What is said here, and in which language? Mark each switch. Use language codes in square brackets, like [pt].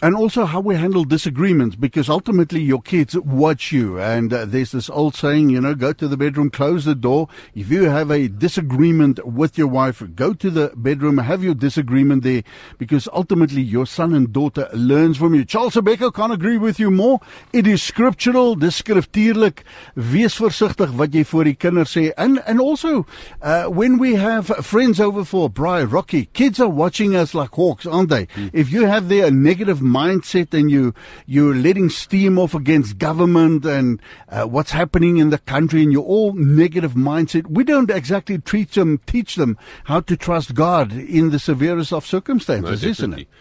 [en] And also how we handle disagreements, because ultimately your kids watch you. And there's this old saying, you know, go to the bedroom, close the door. If you have a disagreement with your wife, go to the bedroom, have your disagreement there, because ultimately your son and daughter learns from you. Charles Abeko can't agree with you more. It is scriptural, [af] dis skriftuurlik. Wees voorsichtig wat jy voor die kinders sê. [en] And also, when we have friends over for Bri, Rocky, kids are watching us like hawks, aren't they? Mm. If you have their negative mindset and you're letting steam off against government and what's happening in the country and you're all negative mindset, we don't exactly teach them how to trust God in the severest of circumstances, isn't it?